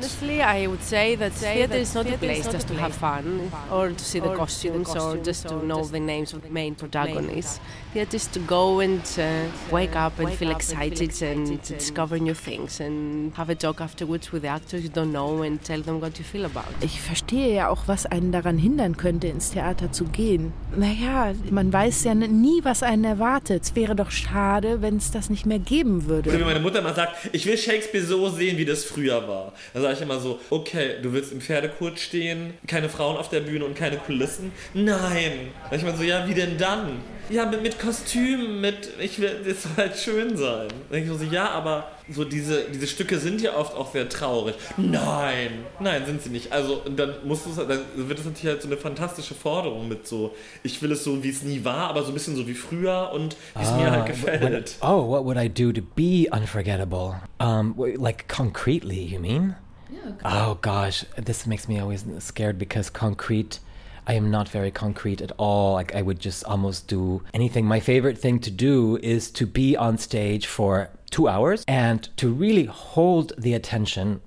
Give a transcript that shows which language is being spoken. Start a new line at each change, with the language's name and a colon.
English: Honestly, I would say that theater is not a place just to have fun or to see the costumes or just to know the names of the main protagonists. Theater is to go and wake up and feel excited and to discover new things and have a talk afterwards with the actors you don't know and tell them what you feel about.
German: Ich verstehe ja auch, was einen daran hindern könnte, ins Theater zu gehen. Naja, man weiß ja nie, was einen erwartet. Es wäre doch schade, wenn es das nicht mehr geben würde. Oder wie meine Mutter mal sagt, ich will Shakespeare so sehen, wie das früher war. Da sage ich immer so, okay, du willst im Pferdekot stehen, keine Frauen auf der Bühne und keine Kulissen? Nein. Da sage ich immer so, ja, wie denn dann? Ja, mit Kostümen, mit, ich will, das soll halt schön sein. Da denke ich so, ja, aber so diese Stücke sind ja oft auch sehr traurig. Nein, sind sie nicht. Also, dann wird es natürlich halt so eine fantastische Forderung mit so, ich will es so, wie es nie war, aber so ein bisschen so wie früher und wie es mir halt gefällt.
English: Oh, what would I do to be unforgettable? Like concretely, you mean? Yeah, okay. Oh gosh, this makes me always scared because concrete, I am not very concrete at all. Like I would just almost do anything. My favorite thing to do is to be on stage for 2 hours and to really hold the attention.